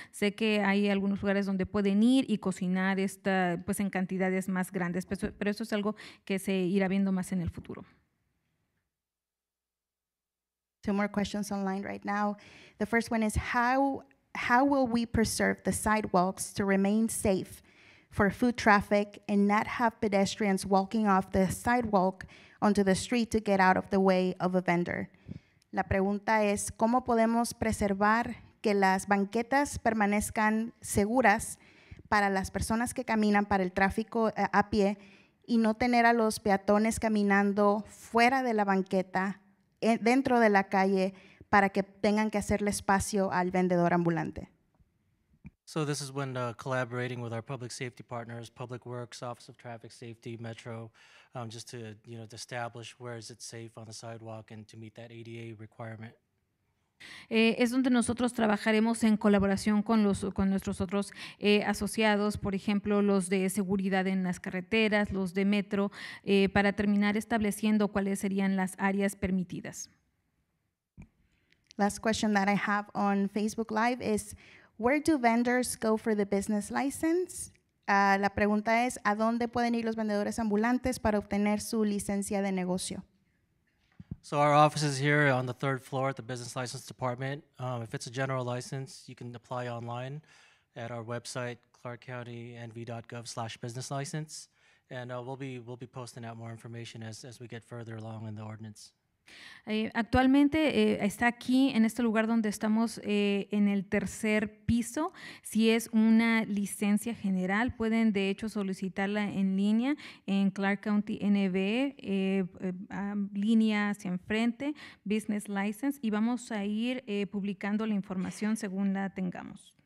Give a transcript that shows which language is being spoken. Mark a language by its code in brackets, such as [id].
[es] Sé que hay algunos lugares donde pueden ir y cocinar en cantidades más grandes, pero eso es algo que se irá viendo más en el futuro. [en] Two more questions online right now. The first one is, how will we preserve the sidewalks to remain safe for foot traffic and not have pedestrians walking off the sidewalk onto the street to get out of the way of a vendor? [es] La pregunta es, ¿cómo podemos preservar que las banquetas permanezcan seguras para las personas que caminan para el tráfico a pie y no tener a los peatones caminando fuera de la banqueta dentro de la calle para que tengan que hacerle espacio al vendedor ambulante? [en] So this is when collaborating with our public safety partners, Public Works, Office of Traffic Safety, Metro, just to, you know, to establish where is it safe on the sidewalk and to meet that ADA requirement. [es] Es donde nosotros trabajaremos en colaboración con nuestros otros asociados, por ejemplo, los de seguridad en las carreteras, los de metro, para terminar estableciendo cuáles serían las áreas permitidas. [en] Last question that I have on Facebook Live is, where do vendors go for the business license? [es] La pregunta es, ¿a dónde pueden ir los vendedores ambulantes para obtener su licencia de negocio? [en] So our office is here on the third floor at the Business License Department. If it's a general license, you can apply online at our website, clarkcountynv.gov/businesslicense. And we'll be posting out more information as we get further along in the ordinance. [es] Actualmente está aquí en este lugar donde estamos en el tercer piso. Si es una licencia general, pueden de hecho solicitarla en línea en Clark County NV, línea hacia enfrente, [en] business license, [es] y vamos a ir publicando la información según la tengamos.